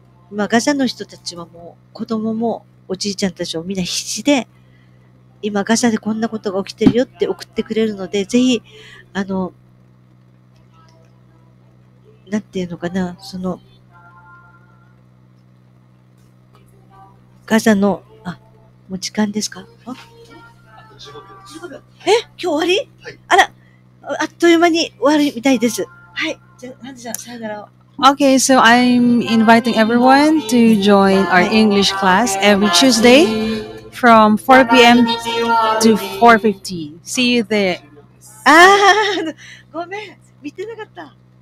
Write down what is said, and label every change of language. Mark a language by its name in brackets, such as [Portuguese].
[Japanese] まあガザの人たちはもう子供もおじいちゃんたちもみんな必死で、今ガザでこんなことが起きてるよって送ってくれるので、ぜひ、なんていうのかな、その、ガザの、あ、もう時間ですか？あ、 15 秒。え、今日終わり？はい。あら、あっという間に終わるみたいです。はい。じゃあ、ハンジさん、さよなら。 [English] Okay, so I'm inviting everyone to join our English class every Tuesday from 4 p.m. to 4:15. See you there. [Japanese] ああ、ごめん、見てなかった。